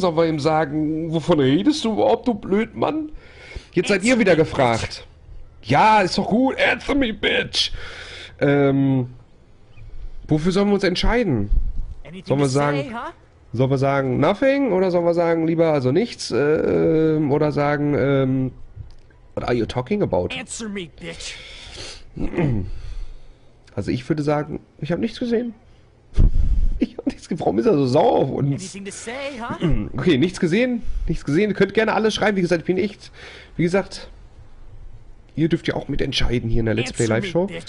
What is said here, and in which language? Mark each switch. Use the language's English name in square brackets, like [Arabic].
[German] Sollen wir ihm sagen, wovon redest du überhaupt, du Blödmann? Jetzt seid ihr wieder gefragt. Ja, ist doch gut, [English] answer me, bitch. [German] Wofür sollen wir uns entscheiden? Sollen wir sagen, [English] nothing? [German] Oder sollen wir sagen, lieber also nichts? Oder sagen, [English] what are you talking about? Answer me, bitch. [German] Also ich würde sagen, ich habe nichts gesehen. Warum ist er so sauer auf uns? Okay, nichts gesehen. Ihr könnt gerne alles schreiben, wie gesagt, wie gesagt, ihr dürft ja auch mitentscheiden hier in der Let's Play Live Show.